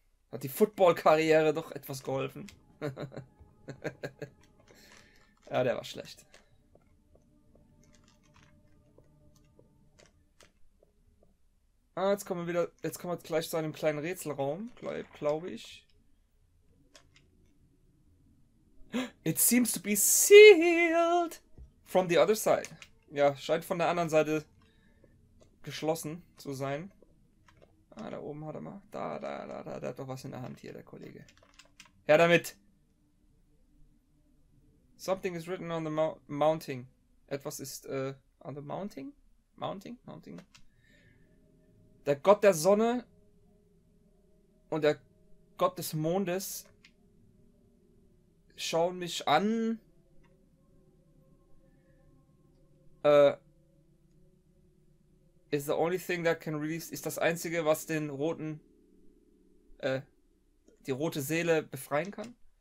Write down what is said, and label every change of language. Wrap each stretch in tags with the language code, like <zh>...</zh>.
<de>Hat die Football-Karriere doch etwas geholfen. Ja, der war schlecht. Ah, jetzt kommen wir wieder. Jetzt kommen wir gleich zu einem kleinen Rätselraum, glaube ich.</de> <en>It seems to be sealed from the other side.</en> <de>Ja, scheint von der anderen Seite geschlossen zu sein. Ah, da oben hat er mal. Da, der hat doch was in der Hand hier, der Kollege. Her damit!</de> <en>Something is written on the mounting.</en> <de>Etwas ist,</de> <en>on the mounting? Mounting?</en> <de>Der Gott der Sonne und der Gott des Mondes schauen mich an.</de> <en>Is the only thing that can release,</en> <de>ist das einzige, was den roten, die rote Seele befreien kann?</de>